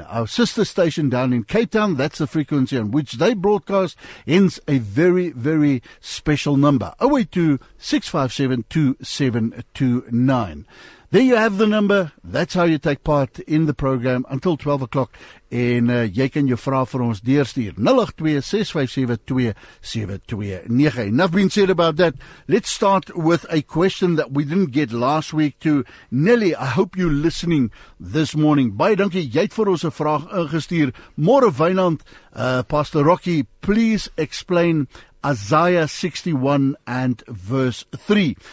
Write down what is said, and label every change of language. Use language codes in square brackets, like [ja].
[en] Our sister station down in Cape Town, that's the frequency on which they broadcast, hence a very, very special number, 082-657-2729. There you have the number. That's how you take part in the program until 12 o'clock. [af] En jy kan jou vraag vir ons deurstuur. 082-657-2729. [en] Enough been said about that. Let's start with a question that we didn't get last week to Nelly. I hope you're listening this morning. [af] Baie dankie. Jy het vir ons 'n vraag ingestuur. Môre Wynand, Pastor Rocky, [en] please explain Isaiah 61 and verse 3.